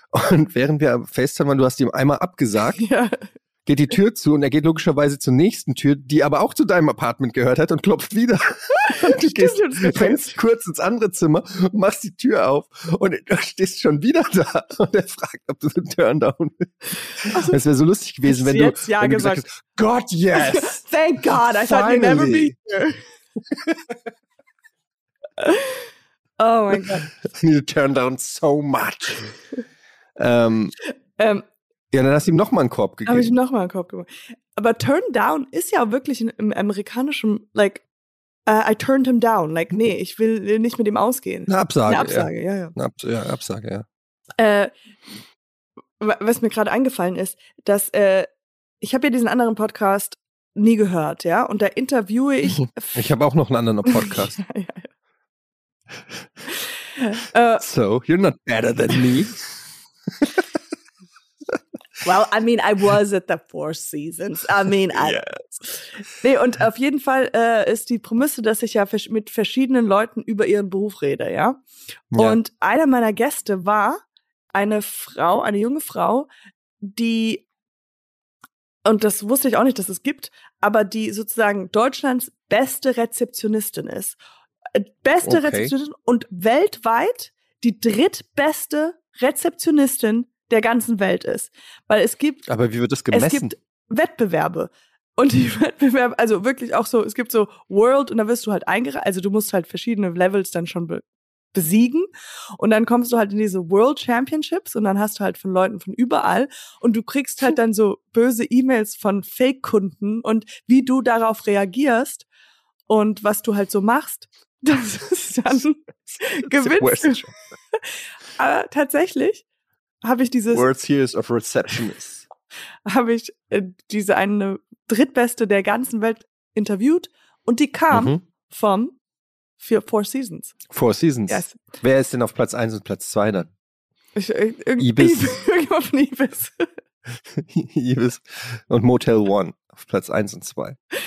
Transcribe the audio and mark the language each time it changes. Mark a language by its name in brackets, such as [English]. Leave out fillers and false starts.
[German] Und während wir am FaceTime waren, du hast ihm einmal abgesagt, geht die Tür zu und er geht logischerweise zur nächsten Tür, die aber auch zu deinem Apartment gehört hat und klopft wieder. Und du rennst kurz ins andere Zimmer, machst die Tür auf und du stehst schon wieder da und er fragt, ob du so ein Turndown bist. Es wäre so lustig gewesen, wenn du jetzt ja wenn gesagt hast, [English] God, yes! Thank God, I thought you'd never be here. Oh my God. I need to turn down so much. [German] Ja, dann hast du ihm nochmal einen Korb gegeben. Habe ich ihm nochmal einen Korb gegeben. Aber Turn Down ist ja wirklich im amerikanischen, like, [English] I turned him down. Like, [German] nee, ich will nicht mit ihm ausgehen. Eine Absage, ja. Was mir gerade eingefallen ist, dass ich habe ja diesen anderen Podcast nie gehört, ja? Und da interviewe ich... Ich habe auch noch einen anderen Podcast. [English] So, you're not better than me. Well, I mean, I was at the Four Seasons. I mean, I... Yeah. [German] Nee, und auf jeden Fall ist die Prämisse, dass ich ja mit verschiedenen Leuten über ihren Beruf rede, ja? Und einer meiner Gäste war eine Frau, eine junge Frau, die, und das wusste ich auch nicht, dass es gibt, aber die sozusagen Deutschlands beste Rezeptionistin ist. Beste Rezeptionistin und weltweit die drittbeste Rezeptionistin der ganzen Welt ist. Weil es gibt... Aber wie wird das gemessen? Es gibt Wettbewerbe. Und die Wettbewerbe, also wirklich auch so, es gibt so World und da wirst du halt eingereicht, also du musst halt verschiedene Levels dann schon besiegen und dann kommst du halt in diese World Championships und dann hast du halt von Leuten von überall und du kriegst halt dann so böse E-Mails von Fake-Kunden und wie du darauf reagierst und was du halt so machst, das ist dann gewinnst. Aber tatsächlich habe ich dieses [English] World Series of Receptionists. [German] Habe ich diese eine Drittbeste der ganzen Welt interviewt und die kam vom Four Seasons. Four Seasons. Yes. Wer ist denn auf Platz 1 und Platz 2 dann? Ibis. Ibis und Motel One auf Platz 1 und 2.